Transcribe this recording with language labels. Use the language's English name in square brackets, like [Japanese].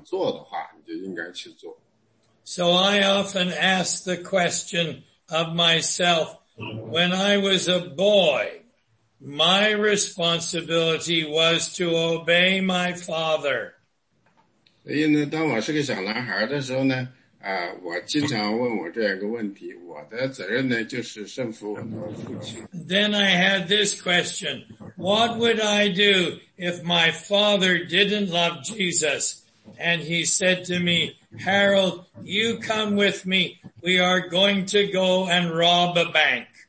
[Chinese] 所以呢，这个他说是非常难的。如果一个丈夫呢，要求啊，一个妻子去做圣经不让妻子做的事儿呢，在这种情况下呢，他说另外一种情况，如果说他要求你做的事情啊，不是啊违背圣经的话，而是你自己不想做的话，你就应该去做。 [English] So I often ask the question of myself, when I was a boy, my responsibility was to obey my father. [Chinese] 所以呢，当我是个小男孩的时候呢，我经常问我这样一个问题，我的责任呢，就是顺服我的父亲。 [English] Then I had this question, what would I do if my father didn't love Jesus? And he said to me, Harold, you come with me. We are going to go and rob a bank.